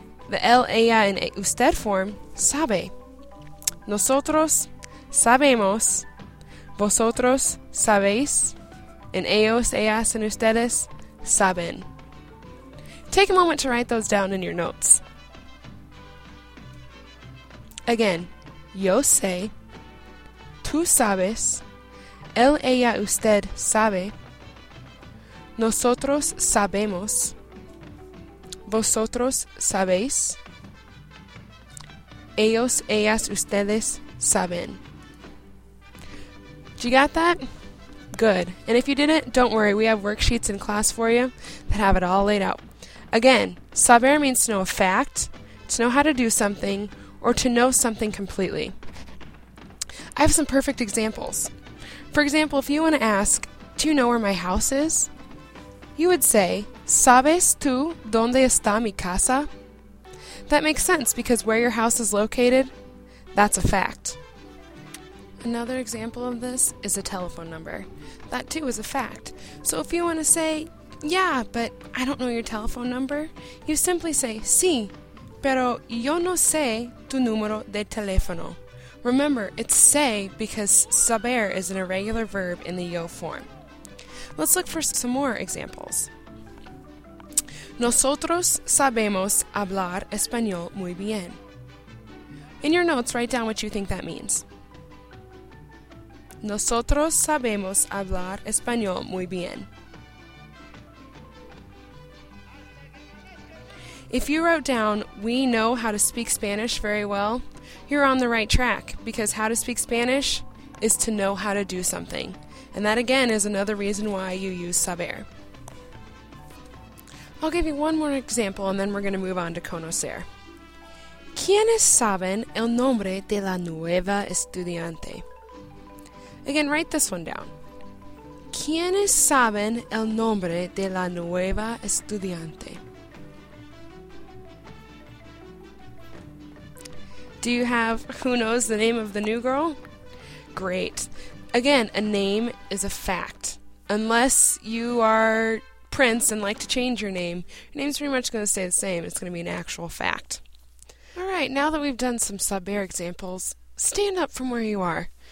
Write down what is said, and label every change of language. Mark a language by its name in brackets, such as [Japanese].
[Spanish] The él, ella, and usted form, sabe. Nosotros, sabemos. Vosotros, sabéis. And ellos, ellas, and ustedes, saben. [English] Take a moment to write those down in your notes. [Spanish] Again, yo sé, tú sabes, él, ella, usted sabe, nosotros sabemos, vosotros sabéis, ellos, ellas, ustedes saben. [English] Did you got that? Good. And if you didn't, don't worry. We have worksheets in class for you that have it all laid out. Again, saber means to know a fact, to know how to do something, or to know something completely. I have some perfect examples. For example, if you want to ask, do you know where my house is? You would say, [Spanish] ¿sabes tú dónde está mi casa? [English] That makes sense because where your house is located, that's a fact. Another example of this is a telephone number. That too is a fact. So if you want to say, yeah, but I don't know your telephone number, you simply say, [Spanish] sí, pero yo no sé tu número de teléfono. [English] Remember, it's sé because saber is an irregular verb in the yo form. Let's look for some more examples. [Spanish] Nosotros sabemos hablar español muy bien. [English] In your notes, write down what you think that means. [Spanish] Nosotros sabemos hablar español muy bien. [English] If you wrote down, we know how to speak Spanish very well, you're on the right track, because how to speak Spanish is to know how to do something. And that, again, is another reason why you use saber. I'll give you one more example, and then we're going to move on to conocer. [Spanish] ¿Quiénes saben el nombre de la nueva estudiante? [English] Again, write this one down. [Spanish] ¿Quiénes saben el nombre de la nueva estudiante? [English] Do you have who knows the name of the new girl? Great. Again, a name is a fact. Unless you are Prince and like to change your name's pretty much going to stay the same. It's going to be an actual fact. All right, now that we've done some saber examples, stand up from where you are.